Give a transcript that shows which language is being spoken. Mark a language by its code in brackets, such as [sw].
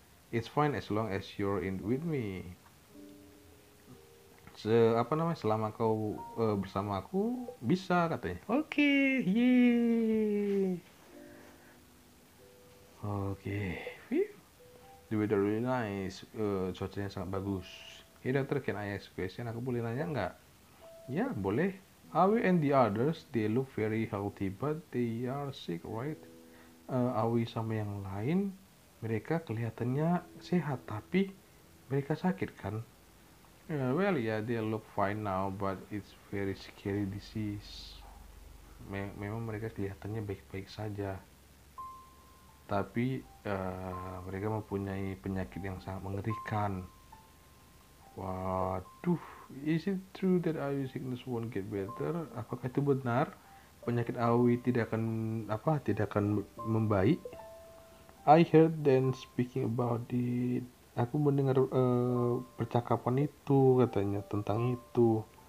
[en] It's fine as long as you're in with me. [id] Selama kau bersama aku, bisa katanya. [en] Okay, yeay. Okay. Whew. The weather really nice. [id] Cuacanya sangat bagus. [en] Hey, doctor, can I ask question? [id] Aku boleh nanya enggak? Ya, boleh. [en] Aoi and the others, they look very healthy, but they are sick, right? [id] Aoi sama yang lain, mereka kelihatannya sehat, tapi mereka sakit, kan? [en] Well, yeah, they look fine now, but it's very scary disease. [id] Memang mereka kelihatannya baik-baik saja. Tapi, mereka mempunyai penyakit yang sangat mengerikan. Waduh. [en] Is it true that Aoi sickness won't get better? [id] Apakah itu benar? Penyakit Aoi tidak akan membaik? [en] I heard them speaking about it. [id] Aku mendengar percakapan itu katanya tentang itu.